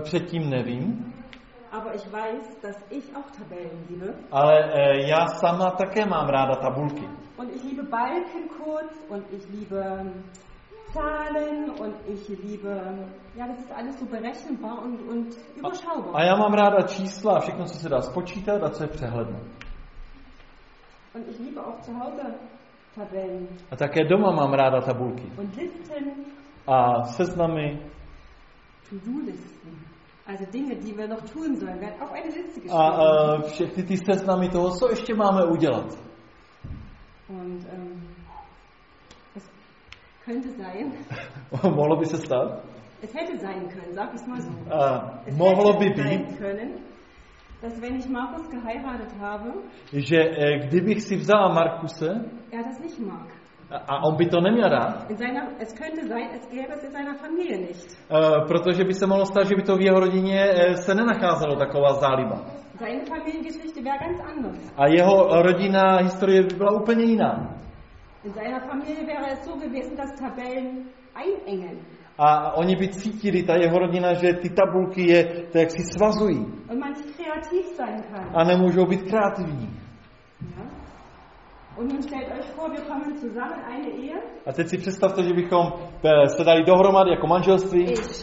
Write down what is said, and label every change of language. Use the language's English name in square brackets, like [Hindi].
[Czech] Předtím nevím. [German] Aber ich weiß, dass ich auch Tabellen liebe. [Czech] Ale já sama také mám ráda tabulky. [German] Und ich liebe Balkencodes und ich liebe Zahlen und ich liebe ja, das ist alles so berechenbar und überschaubar. [Czech] A já mám ráda čísla a všechno, co se dá spočítat a co je přehledné. [German] Und ich liebe auch zu Hause Tabellen. [Czech] A také doma mám ráda tabulky. [German] Und Listen. [Czech] A seznamy. [German] To-do listen. Also Dinge, die wir noch tun sollen, werden auf eine Liste geschrieben. [Czech] A všechny ty seznamy toho, co ještě máme udělat. [German] Und könnte sein. [Czech] Mohlo by se stát? [German] Es hätte sein können, sag ich mal so. [Czech] Mohlo by být. [German] Dass wenn ich Markus geheiratet habe. [Czech] Že kdybych si vzala Markuse. [German] Ja, das nicht mag. [Czech] A on by to neměl rád. [German] Es könnte sein, es gäbe es in seiner Familie nicht. [Czech] Protože by se mohlo stát, že by to v jeho rodině se nenacházelo taková záliba. [German] Seine Familiengeschichte wäre ganz anders. [Czech] A jeho rodinná historie by byla úplně jiná. [German] In seiner Familie wäre es so gewesen, dass Tabellen einengen. [Czech] A oni by cítili, ta jeho rodina, že ty tabulky je to, jak si svazují. [German] Und man nicht kreativ sein kann. [Czech] A nemůžou být kreativní. [German] Ja. Und nun stellt euch vor, wir kommen zusammen eine Ehe. [Czech] A teď si představte, že bychom se dali dohromady jako manželství.